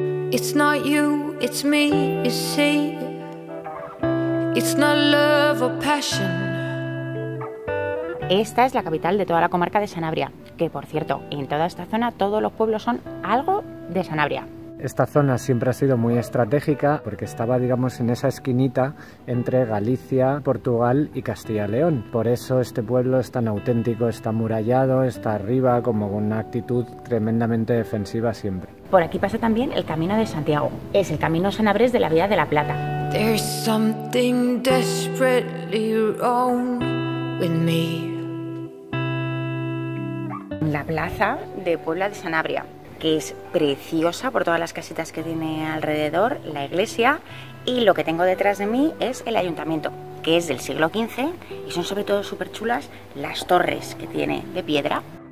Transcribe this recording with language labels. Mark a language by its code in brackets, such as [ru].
[en] It's not you, it's me, you see. It's not love or passion. [es] Esta es la capital de toda la comarca de Sanabria, que por cierto, en toda esta zona todos los pueblos son algo de Sanabria. Esta zona siempre ha sido muy estratégica porque estaba, digamos, en esa esquinita entre Galicia, Portugal y Castilla y León. Por eso este pueblo es tan auténtico, está amurallado, está arriba, como con una actitud tremendamente defensiva siempre. Por aquí pasa también el Camino de Santiago. Es el Camino Sanabrés de la Vía de la Plata. [en] There's something desperately wrong with me. [es] La plaza de Puebla de Sanabria, que es preciosa por todas las casitas que tiene alrededor, la iglesia, y lo que tengo detrás de mí es el ayuntamiento, que es del siglo XV y son sobre todo súper chulas las torres que tiene de piedra.